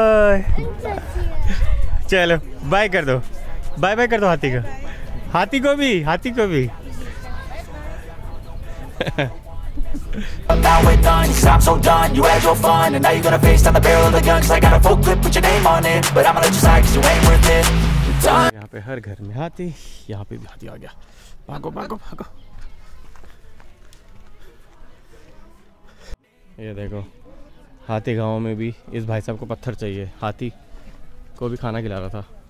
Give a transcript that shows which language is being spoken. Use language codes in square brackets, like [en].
[hi] चलो बाय कर दो, बाय बाय कर दो हाथी का, हाथी को भी, हाथी को भी। [en] Now we're done, cause I'm so done. You had your fun, and now you're gonna face down the barrel of the gun. Cause I got a full clip, put your name on it. But I'm gonna let you slide, cause you ain't worth it. [hi] यहाँ पे हर घर में हाथी, यहाँ पे भी हाथी आ गया। भागो भागो भागो। ये देखो हाथी गांव में भी, इस भाई साहब को पत्थर चाहिए, हाथी को भी खाना खिला रहा था।